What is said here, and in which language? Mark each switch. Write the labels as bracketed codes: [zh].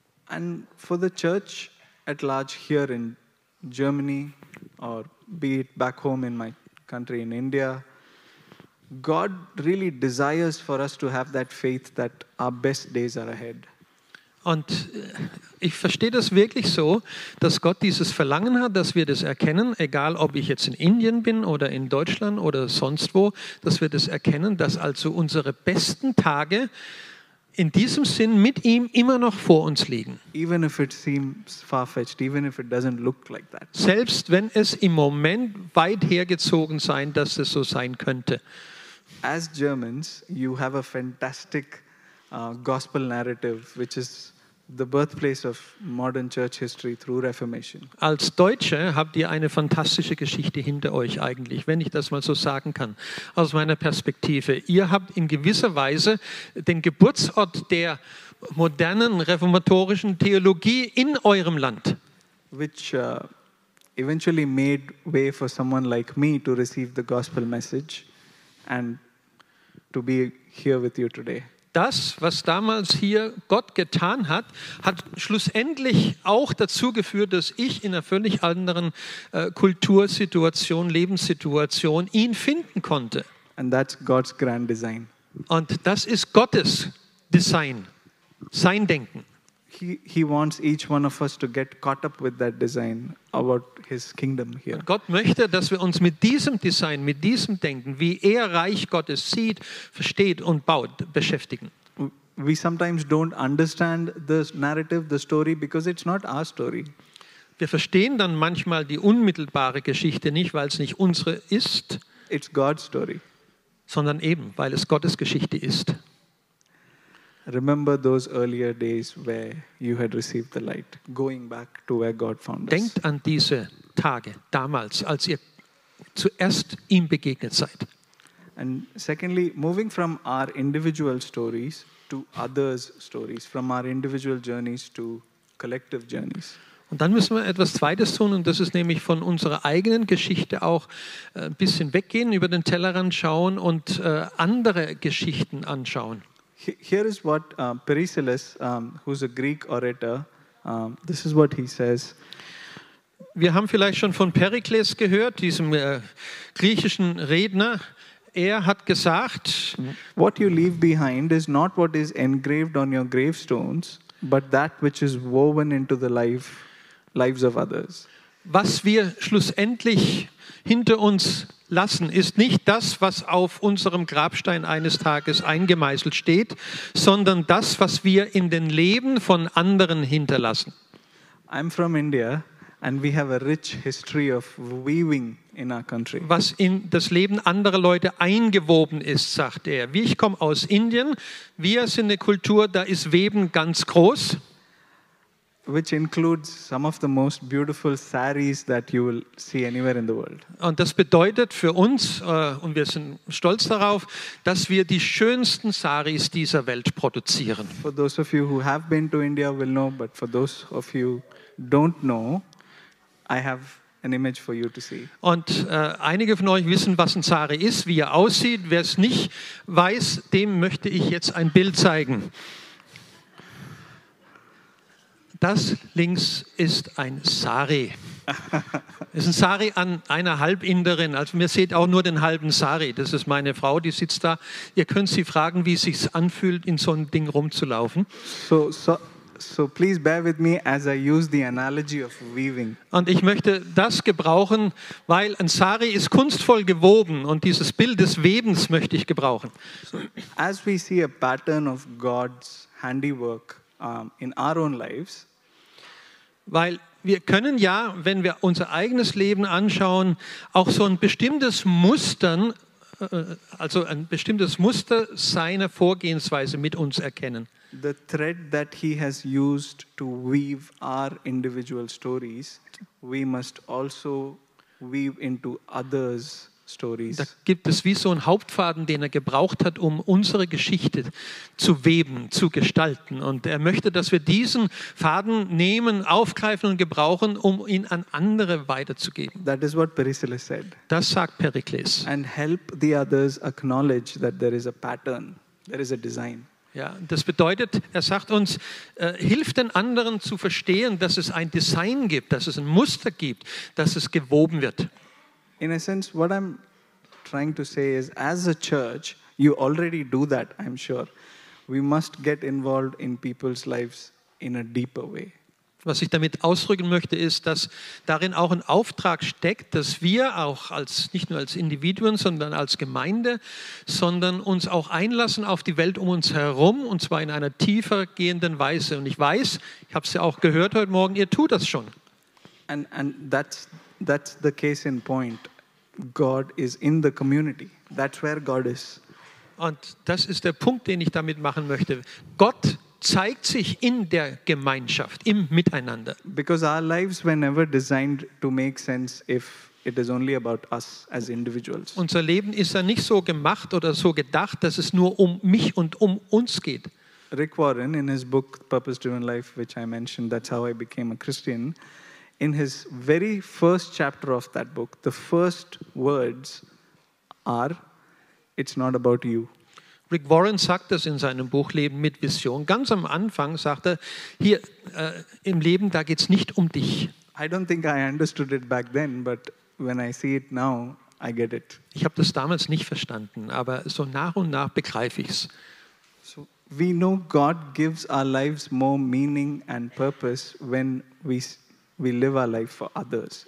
[en] And for the church at large here in Germany or be it back home in my country in India, God really desires for us to have that faith that our best days are ahead. [de] Und ich verstehe das wirklich so, dass Gott dieses Verlangen hat, dass wir das erkennen, egal ob ich jetzt in Indien bin oder in Deutschland oder sonst wo, dass wir das erkennen, dass also unsere besten Tage in diesem Sinn mit ihm immer noch vor uns liegen. [en] Even if it seems far-fetched, even if it doesn't look like that. [de] Selbst wenn es im Moment weit hergezogen sein, dass es so sein könnte. [en] As Germans, you have a fantastic gospel narrative, which is the birthplace of modern church history through Reformation. [de] Als Deutsche habt ihr eine fantastische Geschichte hinter euch eigentlich, wenn ich das mal so sagen kann, aus meiner Perspektive. Ihr habt in gewisser Weise den Geburtsort der modernen reformatorischen Theologie in eurem Land. [en] Which eventually made way for someone like me to receive the gospel message and to be here with you today. [de] Das, was damals hier Gott getan hat, hat schlussendlich auch dazu geführt, dass ich in einer völlig anderen Kultursituation, Lebenssituation ihn finden konnte. [en] And that's God's grand design. [de] Und das ist Gottes Design, sein Denken. [en] He wants each one of us to get caught up with that design about his kingdom here. [de] Gott möchte, dass wir uns mit diesem Design, mit diesem Denken, wie er Reich Gottes sieht, versteht und baut, beschäftigen. [en] We sometimes don't understand the narrative, the story, because it's not our story. [de] Wir verstehen dann manchmal die unmittelbare Geschichte nicht, weil es nicht unsere ist. [en] It's God's story. [de] Sondern eben, weil es Gottes Geschichte ist. [en] Remember those earlier days where you had received the light, going back to where God found us. [de] Denkt an diese Tage damals, als ihr zuerst ihm begegnet seid. [en] And secondly, moving from our individual stories to others' stories, from our individual journeys to collective journeys. [de] Und dann müssen wir etwas Zweites tun, und das ist nämlich von unserer eigenen Geschichte auch ein bisschen weggehen, über den Tellerrand schauen und andere Geschichten anschauen. [en] Here is what Perisilles, who's a Greek orator, this is what he says. [de] Wir haben vielleicht schon von Perikles gehört, diesem griechischen Redner. Er hat gesagt, [en] what you leave behind is not what is engraved on your gravestones, but that which is woven into the lives of others. [de] Was wir schlussendlich hinter uns lassen, ist nicht das, was auf unserem Grabstein eines Tages eingemeißelt steht, sondern das, was wir in den Leben von anderen hinterlassen. [en] I'm from India and we have a rich history of weaving in our country. [de] Was in das Leben anderer Leute eingewoben ist, sagt er. Wie ich komme aus Indien, wir sind eine Kultur, da ist Weben ganz groß. [en] Which includes some of the most beautiful saris that you will see anywhere in the world. [de] Und das bedeutet für uns, und wir sind stolz darauf, dass wir die schönsten Saris dieser Welt produzieren. [en] For those of you who have been to India will know, but for those of you don't know, I have an image for you to see. [de] Und einige von euch wissen, was ein Sari ist, wie er aussieht. Wer es nicht weiß, dem möchte ich jetzt ein Bild zeigen. Das links ist ein Sari. Es ist ein Sari an einer Halbinderin. Also mir seht auch nur den halben Sari. Das ist meine Frau, die sitzt da. Ihr könnt sie fragen, wie es sich anfühlt, in so ein Ding rumzulaufen. [en] So please bear with me as I use the analogy of weaving. [de] Und ich möchte das gebrauchen, weil ein Sari ist kunstvoll gewoben und dieses Bild des Webens möchte ich gebrauchen. [en] So, as we see a pattern of God's handiwork, in our own lives. [de] Weil wir können ja, wenn wir unser eigenes Leben anschauen, auch so ein bestimmtes Muster, also ein bestimmtes Muster seiner Vorgehensweise mit uns erkennen. [en] The thread that he has used to weave our individual stories, we must also weave into others. [de] Da gibt es wie so einen Hauptfaden, den er gebraucht hat, um unsere Geschichte zu weben, zu gestalten. Und er möchte, dass wir diesen Faden nehmen, aufgreifen und gebrauchen, um ihn an andere weiterzugeben. [en] That is what Perisilles said. [de] Das sagt Perikles. [en] And help the others acknowledge that there is a pattern, there is a design. [de] Ja, das bedeutet, er sagt uns, hilft den anderen zu verstehen, dass es ein Design gibt, dass es ein Muster gibt, dass es gewoben wird. [en] In a sense, what I'm trying to say is, as a church, you already do that, I'm sure. We must get involved in people's lives in a deeper way. [de] Was ich damit ausdrücken möchte, ist, dass darin auch ein Auftrag steckt, dass wir auch als nicht nur als Individuen, sondern als Gemeinde, sondern uns auch einlassen auf die Welt um uns herum, und zwar in einer tiefer gehenden Weise. Und ich weiß, ich habe es ja auch gehört heute Morgen, ihr tut das schon. [en] And that's the case in point. God is in the community. That's where God is. [de] Und das ist der Punkt, den ich damit machen möchte. Gott zeigt sich in der Gemeinschaft, im Miteinander. [en] Because our lives were never designed to make sense if it is only about us as individuals. [de] Unser Leben ist ja nicht so gemacht oder so gedacht, dass es nur um mich und um uns geht. [en] Rick Warren, in his book Purpose Driven Life, which I mentioned, that's how I became a Christian. In his very first chapter of that book, the first words are, it's not about you. [de] Rick Warren sagt das in seinem Buch Leben mit Vision. Ganz am Anfang sagt er, hier im Leben, da geht's nicht um dich. [en] I don't think I understood it back then, but when I see it now, I get it. [de] Ich habe das damals nicht verstanden, aber so nach und nach begreife ich's. [en] So we know God gives our lives more meaning and purpose when we live our life for others.